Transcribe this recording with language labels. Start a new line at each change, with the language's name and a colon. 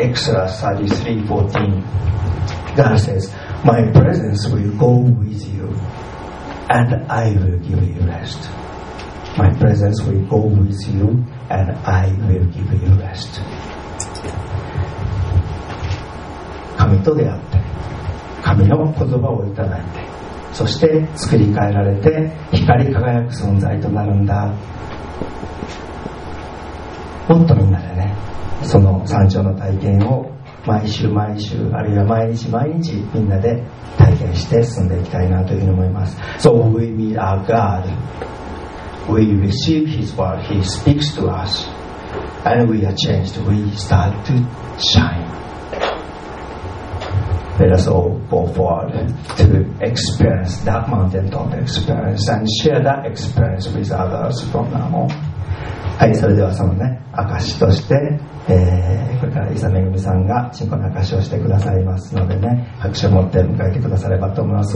English: Exodus 33:14, God says, My presence will go with you, and I will give you rest. My presence will go with you, and I will give you rest.
Japanese: 神と出会って、神の言葉をいただいて、そして作り変えられて光り輝く存在となるんだ。もっとみんなでね、その山頂の体験を毎週毎週、あるいは毎日毎日、みんなで体験して進んでいきたいなというふうに思います。
English: So we meet our God, we receive His word, He speaks to us, and we are changed, we start to shine. Let us all go forward to experience that mountaintop experience and share that experience with others from now on.
Japanese: はい、それではそのね、証しとして、これから伊佐めぐみさんが信仰の証しをしてくださいますのでね、拍手を持って迎えてくださればと思います。